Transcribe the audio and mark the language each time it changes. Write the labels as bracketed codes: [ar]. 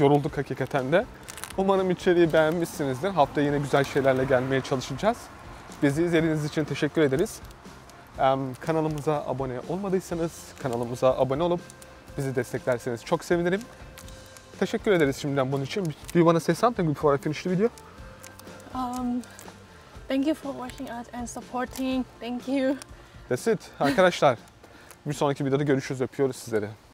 [tr] Yorulduk hakikaten de. Umarım içeriği beğenmişsinizdir. Haftaya yine güzel şeylerle gelmeye çalışacağız. Bizi izlediğiniz için teşekkür ederiz. Kanalımıza abone olmadıysanız kanalımıza abone olup bizi desteklerseniz çok sevinirim. Teşekkür ederiz şimdiden bunun için. [en] Do you want to say something before I finish the video? Thank you for watching us and supporting. Thank you. That's it. [tr] Arkadaşlar, bir sonraki videoda görüşürüz. Öpüyoruz sizleri.